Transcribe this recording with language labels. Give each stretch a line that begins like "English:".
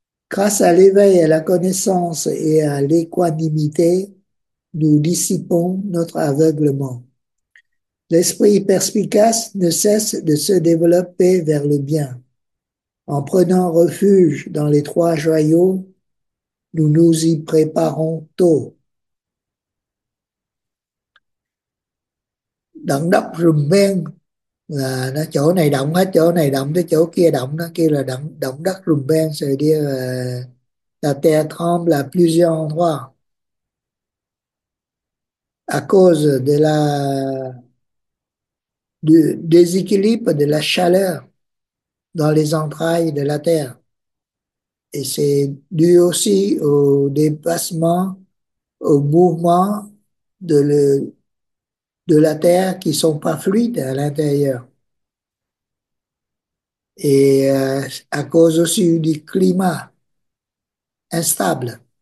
French: Grâce à l'éveil, à la connaissance et à l'équanimité, nous dissipons notre aveuglement. L'esprit perspicace ne cesse de se développer vers le bien. En prenant refuge dans les trois joyaux, nous nous y préparons tôt.
Vietnamese: Động đất rùm beng là nó chỗ này động hết, chỗ này động tới chỗ kia động, nó kêu là động động đất rùm beng. Rồi đi là
French: la terre tremble là plusieurs endroits à cause de la du déséquilibre de la chaleur dans les entrailles de la terre, et c'est dû aussi au déplacement, au mouvement de la terre qui sont pas fluides à l'intérieur, et à cause aussi du climat instable.